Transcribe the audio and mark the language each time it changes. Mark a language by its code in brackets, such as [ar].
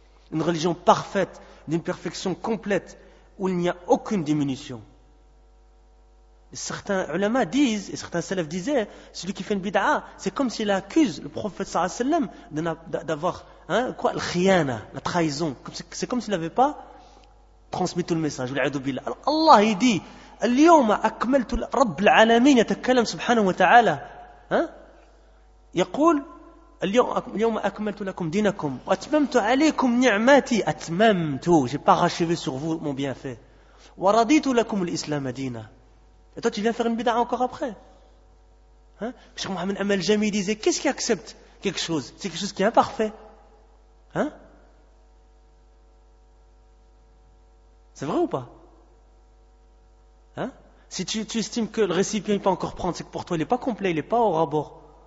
[fr] Une religion parfaite, d'une perfection complète où il n'y a aucune diminution. Et certains ulama disent, et certains salafs disaient, celui qui fait une bid'a, c'est comme s'il accuse le prophète sallallahu alayhi wa sallam d'avoir, hein, quoi, l'khiyana, la trahison. C'est comme s'il n'avait pas transmis tout le message. Alors Allah, il dit, [ar] اليوم أكملت رب العالمين يتكلم سبحانه وتعالى ها يقول اليوم أكملت لكم دينكم وأتممت عليكم نعمتي أتممت [fr] j'ai parachevé sur vous mon bienfait [ar] ورضيت لكم الإسلام دينا. [fr] Et toi tu viens faire une bid'a encore après, hein? Cheikh Mohamed Amal Jami disait, qu'est-ce qui accepte quelque chose? C'est quelque chose qui est imparfait, hein? C'est vrai ou pas? Hein? Si tu estimes que le récipient n'est pas encore prendre, c'est que pour toi il n'est pas complet, il n'est pas au rabord.